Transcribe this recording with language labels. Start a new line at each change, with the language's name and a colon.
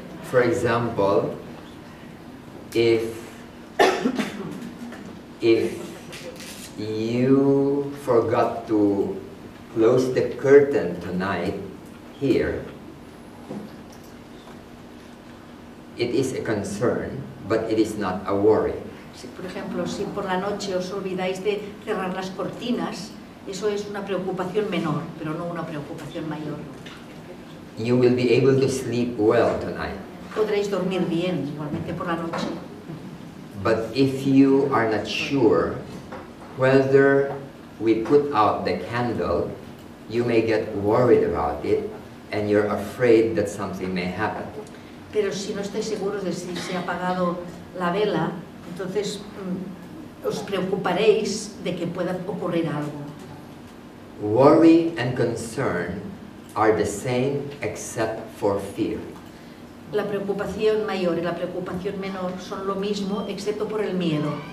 English: For example, if you forgot to close the curtain tonight here, it is a concern, but it is not a worry.
Spanish: Si, por ejemplo, si por la noche os olvidáis de cerrar las cortinas, eso es una preocupación menor, pero no una preocupación mayor.
English: You will be able to sleep well tonight.
Spanish: Podréis dormir bien, igualmente por la noche.
English: But if you are not sure whether we put out the candle, you may get worried about it and you're afraid that something may happen.
Spanish: Pero si no estáis seguros de si se ha apagado la vela, entonces os preocuparéis de que pueda ocurrir algo.
English: Worry and concern are the same except for fear.
Spanish: La preocupación mayor y la preocupación menor son lo mismo, excepto por el miedo.